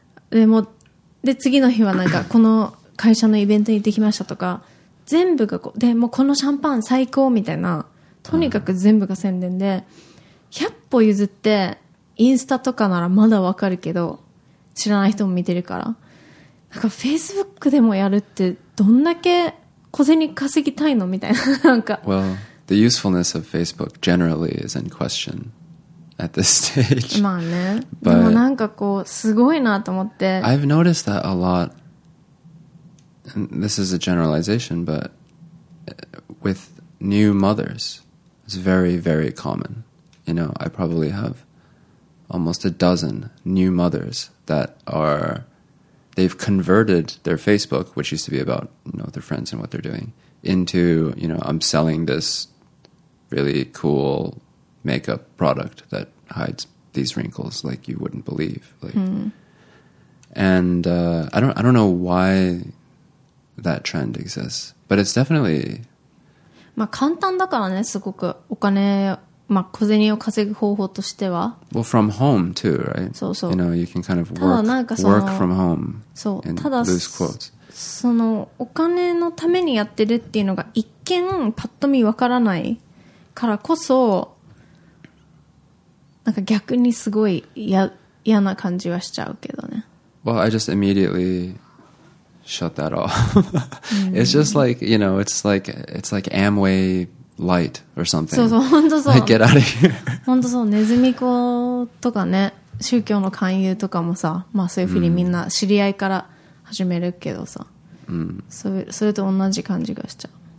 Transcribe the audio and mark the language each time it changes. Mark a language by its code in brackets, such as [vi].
[ja] で、もで次の日はなんかこの会社のイベントに行ってきましたとか、全部がこうで、もうこのシャンパン最高みたいな、とにかく全部が宣伝で、100歩譲ってインスタとかならまだわかるけど、知らない人も見てるから、なんかフェイスブックでもやるってどんだけ小銭稼ぎたいのみたいな、なんか。 [en] Well, the usefulness of Facebook generally is in question at this stage. [ja] まあね。 But、でもなんかこうすごいなと思って。 [en] I've noticed that a lot. And this is a generalization, but with new mothers, it's very, very common. You know, I probably have. Almost a dozen new mothers that are, they've converted their Facebook, which used to be about, you know, their friends and what they're doing, into, you know, I'm selling this really cool makeup product that hides these wrinkles like you wouldn't believe. Like, mm. And I don't know why that trend exists, but it's definitely... [ja] まあ簡単だからね、すごくお金まあ、小銭を稼ぐ方法としては [en] Well, from home too, right? [ja] そうそう、 [en] You know, you can kind of work from home. [ja] そう、 [en] And ただ loose quotes. [ja] そのお金のためにやってるっていうのが一見パッと見わからないからこそ、なんか逆にすごい嫌な感じはしちゃうけどね。 [en] Well, I just immediately shut that off. It's just like, you know, it's like Amway light or something. [ja] そうそう、本当そう。 [en] Like, get out of here. [ja] 本当そう、ネズミ子とかね、宗教の勧誘とかもさ、まあそういうふうにみんな知り合いから始めるけどさ、それと同じ感じがしちゃう。